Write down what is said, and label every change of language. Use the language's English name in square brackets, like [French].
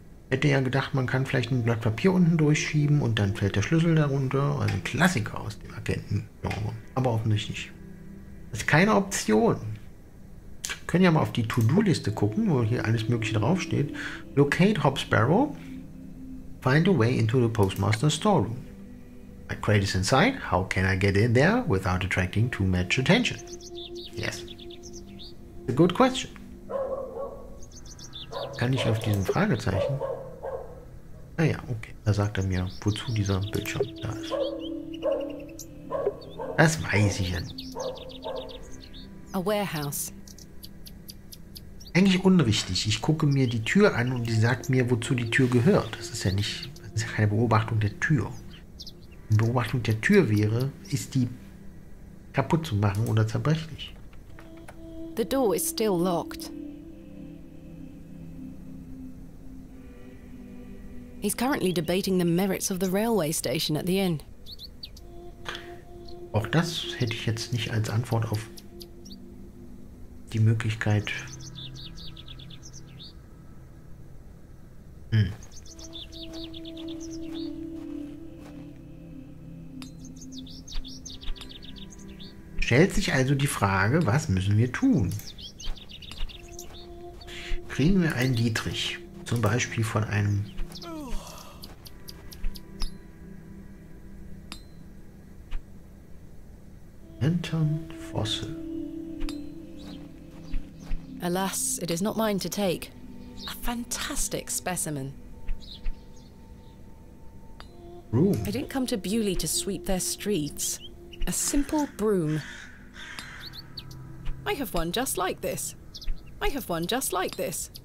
[German] Hätte ja gedacht, man kann vielleicht ein Blatt Papier unten durchschieben und dann fällt der Schlüssel darunter. Also ein Klassiker aus dem Agenten-Genre. Aber offensichtlich nicht. Das ist keine Option. Wir können ja mal auf die To-Do-Liste gucken, wo hier alles Mögliche draufsteht. [English] Locate Hopsparrow. Find a way into the Postmaster's storeroom. My crate is inside. How can I get in there without attracting too much attention? Yes. A good question. [German] Kann ich auf diesem Fragezeichen? Ah ja, okay. Da sagt er mir, wozu dieser Bildschirm da ist. Das weiß ich ja nicht. [English] A warehouse. [German] Eigentlich unrichtig. Ich gucke mir die Tür an und die sagt mir, wozu die Tür gehört. Das ist ja nicht, das ist ja keine Beobachtung der Tür. Wenn Beobachtung der Tür wäre, ist die kaputt zu machen oder zerbrechlich. [English] The door is still locked. He's currently debating the merits of the railway station at the inn. [German] Auch das hätte ich jetzt nicht als Antwort auf die Möglichkeit. Stellt sich also die Frage, was müssen wir tun? Kriegen wir einen Dietrich, zum Beispiel von einem Lantern Fossil. [English] Alas, it is not mine to take. A fantastic specimen. Broom. I didn't come to Bewley to sweep their streets. A simple broom. I have one just like this. I have one just like this.